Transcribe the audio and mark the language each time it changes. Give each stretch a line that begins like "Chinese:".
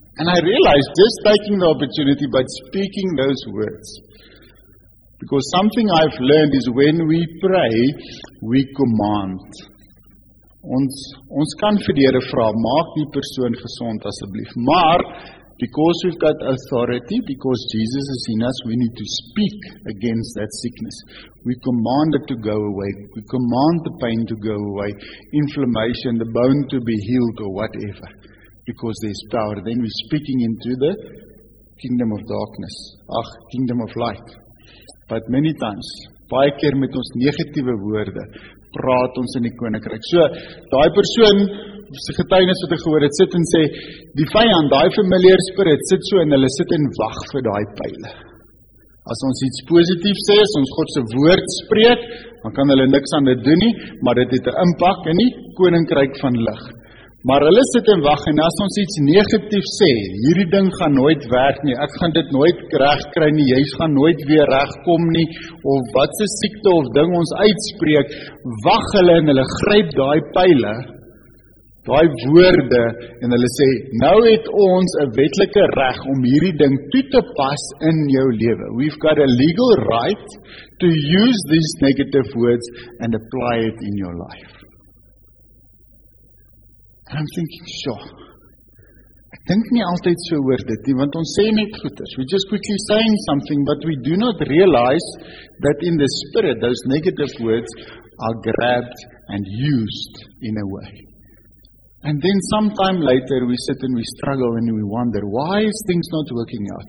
English: And I realized, just taking the opportunity by speaking those words. Because something I've learned is when we pray, we command.
Afrikaans: Ons kan vir die Here vra, maak die persoon gesond asseblief.
English: Maar, because we've got authority, because Jesus is in us, we need to speak against that sickness. We command it to go away. We command the pain to go away. Inflammation, the bone to be healed or whatever. Because there's power. Then we're speaking into the kingdom of darkness. Kingdom of light. But many times,
Afrikaans: baie keer met ons negatiewe woorde, praat ons in die koninkryk. So, daai persoon, sy getuienis wat ek gehoor het, sit en sê, die vyand, daai familiar spirit, sit so en hulle sit en wag vir daai pyle. As ons iets positief sê, as ons God se woord spreek, dan kan hulle niks aan dit doen nie, maar dit het 'n impak in die koninkryk van lig. Maar hulle sit en wag en as ons iets negatief sê, hierdie ding gaan nooit werk nie, ek gaan dit nooit reg kry nie, jy gaan nooit weer regkom nie, of wat se siekte of ding ons uitspreek, wag hulle en hulle gryp daai pyle daai woorde en hulle sê, nou het ons 'n wetlike reg om hierdie ding toe te pas in jou lewe.
English: We've got a legal right to use these negative words and apply it in your life. And I'm thinking, sure.
Afrikaans: Ek dink nie altyd so oor dit nie, want ons sê net goeders.
English: We're just quickly saying something, but we do not realize that in the spirit, those negative words are grabbed and used in a way. And then sometime later we sit and we struggle and we wonder, why is things not working out?